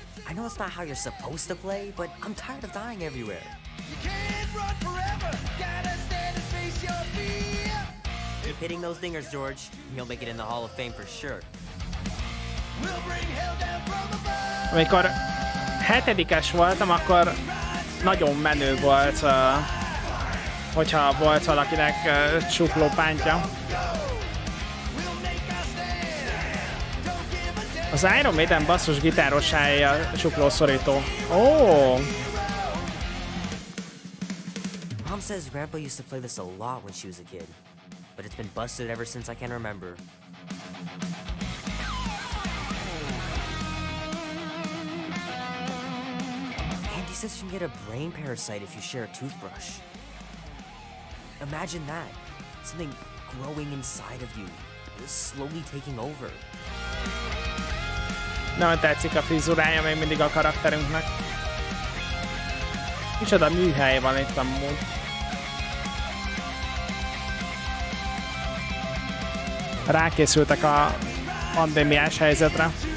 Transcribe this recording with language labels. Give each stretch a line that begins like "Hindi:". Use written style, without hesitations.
English: I know it's not how you're supposed to play, but I'm tired of dying everywhere. You can't run forever. Gotta stand and face your fear. Keep hitting those dingers, George. You'll make it in the Hall of Fame for sure. We'll bring hell down from above.
Hungarian: Amikor hetedikes voltam, akkor nagyon menő volt, hogyha volt valakinek csukló pántja. Az Iron Maiden basszus gitárosája a csuklószorító. Ó! Oh.
English: Mom says grandpa used to play this a lot when she was a kid, but it's been busted ever since I can remember. Andy says you can get a brain parasite if you share a toothbrush. Imagine that. Something growing inside of you, slowly taking over.
Hungarian: Nagyon tetszik a frizurája még mindig a karakterünknek. Micsoda műhely van itt amúgy. Rákészültek a pandémiás helyzetre.